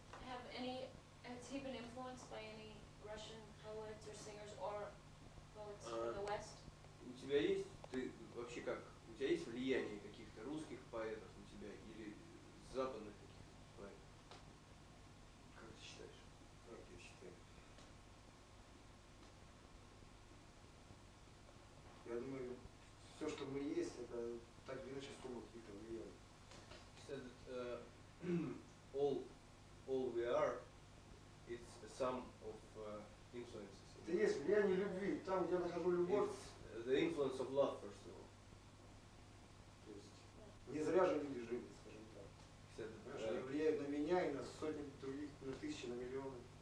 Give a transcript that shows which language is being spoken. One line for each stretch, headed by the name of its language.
English: Have any, has he been influenced by any Russian poets or singers or poets from the West?
Russian: У тебя есть, ты вообще как, у тебя есть влияние каких-то русских поэтов на тебя или западных каких-то поэтов? Как ты считаешь? Как я считаю? Я думаю, все, что мы есть, это так или иначе формы какие-то влияния.
English: He said that all we are, it's a sum of influences.
Russian: Это есть влияние любви. Там, где я нахожу любовь.
English: It's the influence of love, first of all.
Russian: То есть не зря же люди жили, скажем так.
English: He said that,
Russian: они влияют на меня и на сотни других, на тысячи, на миллионы.